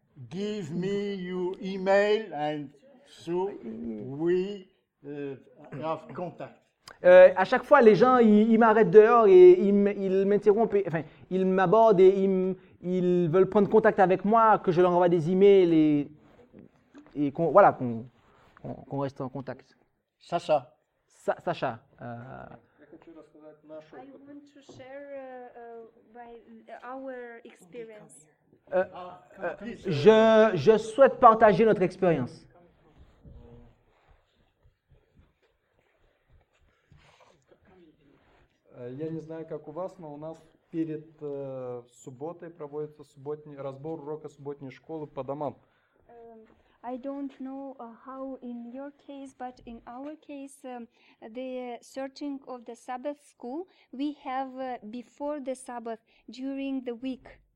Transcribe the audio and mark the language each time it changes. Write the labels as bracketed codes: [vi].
[en] Give me your email and so we have contact. [fr] À chaque fois, les gens, ils m'arrêtent dehors et ils m'interrompent, enfin, ils m'abordent et ils veulent prendre contact avec moi, que je leur envoie des emails et qu'on, voilà, qu'on reste en contact. Sacha. Sacha. [en] I want to share our experience. [fr] Je souhaite partager notre expérience. [ru] Я не знаю, как у вас, но у нас перед субботой проводится разбор урока субботней школы по домам. [en] I don't know how in your case, but in our case, the searching of the Sabbath school we have before the Sabbath during the week.